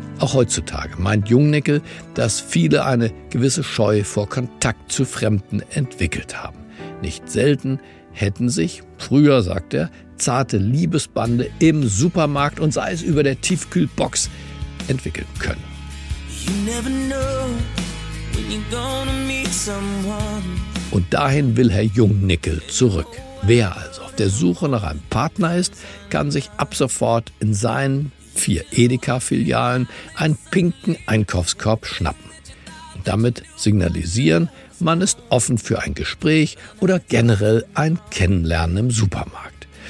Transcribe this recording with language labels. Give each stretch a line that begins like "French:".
German: Auch heutzutage meint Jungnickel, dass viele eine gewisse Scheu vor Kontakt zu Fremden entwickelt haben. Nicht selten hätten sich früher, sagt er, zarte Liebesbande im Supermarkt und sei es über der Tiefkühlbox entwickeln können.
English: You never know when you're gonna meet someone.
German: Und dahin will Herr Jungnickel zurück. Wer also auf der Suche nach einem Partner ist, kann sich ab sofort in seinen 4 Edeka-Filialen einen pinken Einkaufskorb schnappen. Und damit signalisieren, man ist offen für ein Gespräch oder generell ein Kennenlernen im Supermarkt.